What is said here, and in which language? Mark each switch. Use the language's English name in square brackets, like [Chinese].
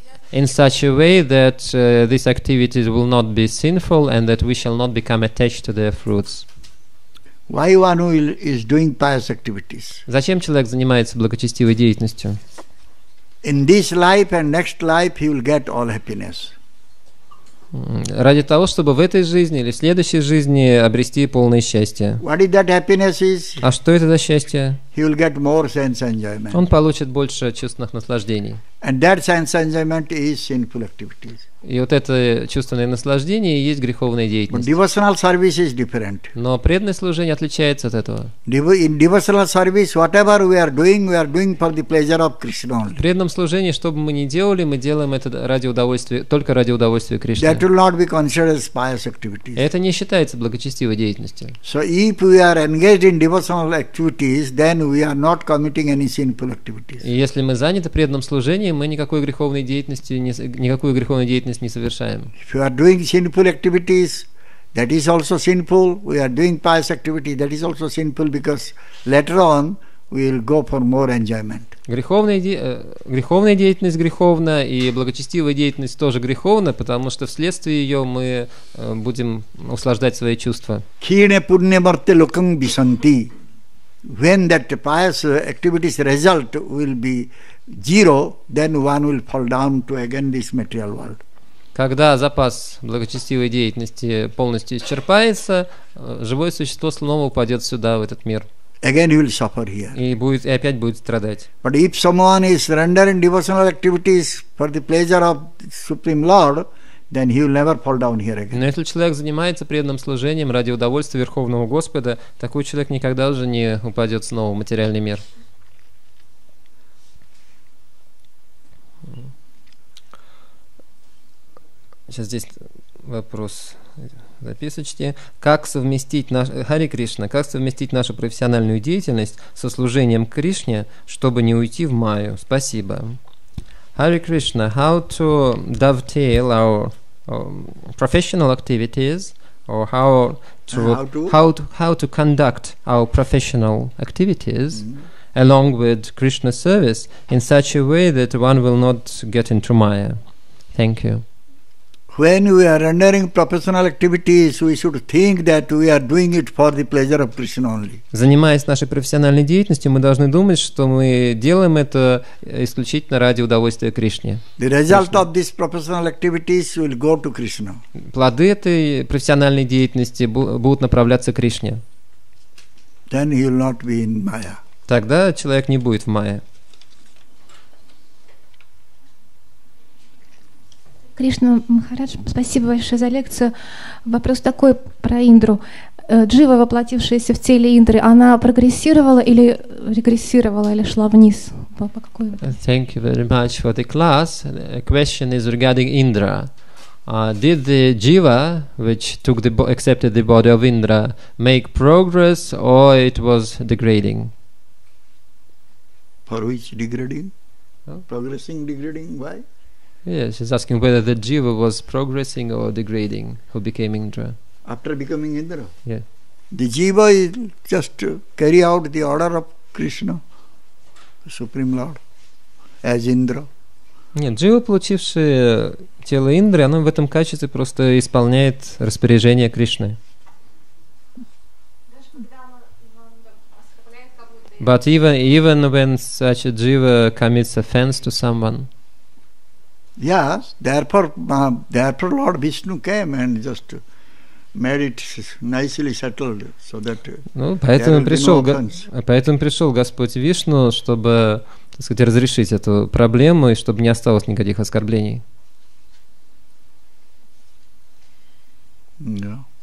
[English] In such a way that these activities will not be sinful and that we shall not become attached to their fruits. Why one who is doing pious activities? [Russian] Зачем человек занимается благочестивой деятельностью? [English] In this life and next life he will get all happiness. [Russian] Ради того, чтобы в этой жизни или в следующей жизни обрести полное счастье. [English] What is that happiness is? [Russian] А что это за счастье? [English] He will get more sense enjoyment. [Russian] Он получит больше чувственных наслаждений. [English] And that sense enjoyment is sinful activities. [Russian] И вот это чувственное наслаждение и есть греховная деятельность. [English] But devotional service is different. [Russian] Но преданное служение отличается от этого. [English] In devotional service, whatever we are doing for the pleasure of Krishna. [Russian] В преданном служении, что бы мы ни делали, мы делаем это ради удовольствия, только ради удовольствия Кришны. [English] That will not be considered as pious activities. [Russian] Это не считается благочестивой деятельностью. [English] So if we are engaged in devotional activities, then we are not committing any sinful activities. [Russian] И если мы заняты преданным служением, мы никакой греховной деятельностью, не совершаем. [English] If you are doing sinful activities, that is also sinful. We are doing pious activity, that is also sinful because later on we will go for more enjoyment. [Russian] Греховная деятельность греховна, и благочестивая деятельность тоже греховна, потому что вследствие ее мы будем услаждать свои чувства. [Sanskrit] Кхине пунне марте локам бисанти. [English] When that pious activities result will be zero, then one will fall down to again this material world. [Russian] Когда запас благочестивой деятельности полностью исчерпается, живое существо снова упадет сюда, в этот мир. [English] Again he will suffer here. [Russian] И опять будет страдать. [English] But if someone is rendering devotional activities for the pleasure of the Supreme Lord, then he will never fall down here again. [Russian] Но если человек занимается преданным служением ради удовольствия Верховного Господа, такой человек никогда уже не упадет снова в материальный мир. Сейчас здесь вопрос записочки. Как совместить Хари Кришна, как совместить нашу профессиональную деятельность со служением Кришне, чтобы не уйти в Майю? Спасибо. [English] Хари Кришна, how to dovetail our professional activities or how to conduct our professional activities along with Krishna service in such a way that one will not get into Maya? Thank you. When we are rendering professional activities, we should think that we are doing it for the pleasure of Krishna only. [Russian] Занимаясь нашей профессиональной деятельностью, мы должны думать, что мы делаем это исключительно ради удовольствия Кришне. [English] The result of these professional activities will go to Krishna. [Russian] Плоды этой профессиональной деятельности будут направляться к Кришне. [English] Then he will not be in Maya. [Russian] Тогда человек не будет в Майе. Кришна Махарадж, спасибо большое за лекцию. Вопрос такой про Индру. Джива, воплотившаяся в теле Индры, она прогрессировала или регрессировала, или шла вниз? По какой? [English] Thank you very much for the class. The question is regarding Indra. Did the jiva, which took the accepted the body of Indra, make progress or it was degrading? For which degrading? Progressing, degrading, why? Yeah, she's asking whether the jiva was progressing or degrading, who became Indra. After becoming Indra? Yeah. The jiva is just carry out the order of Krishna, the Supreme Lord, as Indra. [Russian] Нет, джива, получившая тело Индры, она в этом качестве просто исполняет распоряжение Кришны. [English] But even when such a jiva commits offense to someone. Yes, therefore Lord Vishnu came and just made it nicely settled so that. [Russian] Ну, поэтому пришел Господь Вишну, чтобы, так сказать, разрешить эту проблему и чтобы не осталось никаких оскорблений. Да.